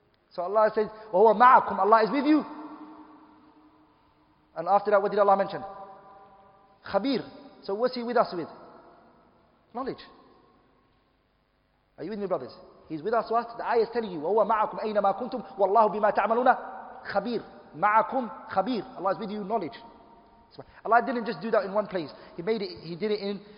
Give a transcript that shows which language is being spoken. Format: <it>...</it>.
<en>So Allah says,</en> <ar>وهو معكم,</ar> <en>Allah is with you. And after that, what did Allah mention?</en> <ar>خبير.</ar> <en>So what's he with us with? Knowledge. Are you with me, brothers? He's with us what? The ayah is telling you,</en> <ar>وَهُوَ مَعَكُمْ أَيْنَمَا كُنْتُمْ وَاللَّهُ بِمَا تَعْمَلُونَ خَبِيرٌ. مَعَكُمْ خَبِيرٌ.</ar> <en>Allah is with you, knowledge. Allah didn't just do that in one place. He did it in</en>